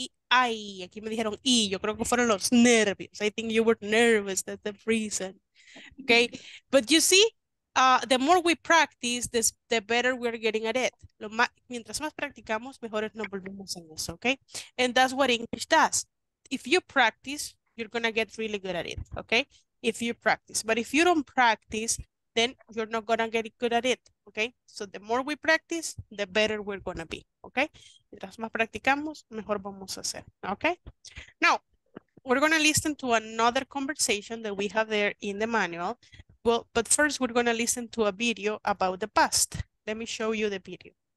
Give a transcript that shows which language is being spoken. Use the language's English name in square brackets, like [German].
[Spanish] Y, aquí me dijeron y, yo creo que fueron los nervios. [English] I think you were nervous, that's the reason. Okay, but you see, the more we practice, the better we're getting at it. [Spanish] Mientras más practicamos, mejores nos volvemos en eso, okay? [English] And that's what English does. If you practice, you're going to get really good at it, okay? If you practice. But if you don't practice, then you're not going to get good at it, okay? So the more we practice, the better we're going to be, okay? [Spanish] Mientras más practicamos, mejor vamos a hacer, okay? [English] Now, we're going to listen to another conversation that we have there in the manual. Well, but first we're going to listen to a video about the past. Let me show you the video.